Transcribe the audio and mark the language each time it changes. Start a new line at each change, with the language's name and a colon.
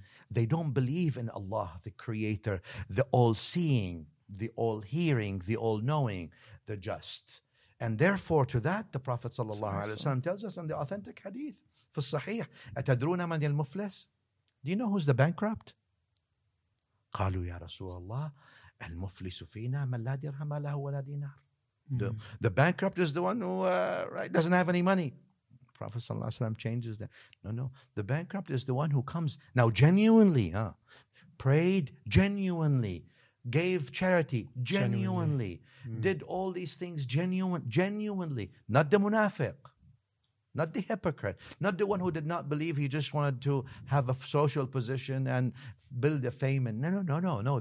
English: They don't believe in Allah, the creator, the all-seeing, the all-hearing, the all-knowing, the just. And therefore, to that, the Prophet ﷺ tells us in the authentic hadith,
Arabic: في الصحيح, أتدرون من المفلس?
English: Do you know who's the bankrupt?
Arabic: قالوا يا رسول الله, المفلس فينا من لا درهم له ولا دينار.
English: The bankrupt is the one who doesn't have any money. Prophet ﷺ changes that. No. The bankrupt is the one who comes, now genuinely, prayed genuinely, gave charity genuinely, did all these things genuinely, not the munafiq, not the hypocrite, not the one who did not believe, he just wanted to have a social position and build a fame. And no.